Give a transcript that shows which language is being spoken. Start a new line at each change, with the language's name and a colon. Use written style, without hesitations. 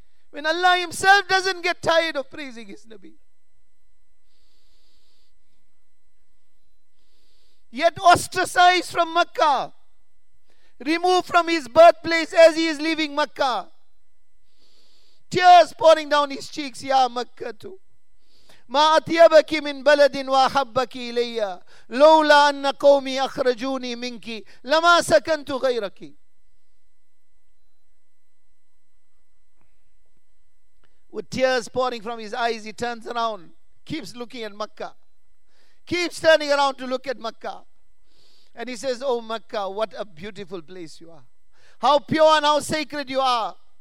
English: When Allah himself doesn't get tired of praising his Nabi. Yet ostracized from Makkah, removed from his birthplace as he is leaving Makkah, tears pouring down his cheeks, Ya Makkah too.
Arabic: ما أطيبك من بلد وأحبك إلي لولا أن قومي أخرجوني منك لما سكنت غيرك.
English: With tears pouring from his eyes, he turns around, keeps looking at Makkah, keeps turning around to look at Makkah. And he says, oh Makkah, what a beautiful place you are. How pure and how sacred you are.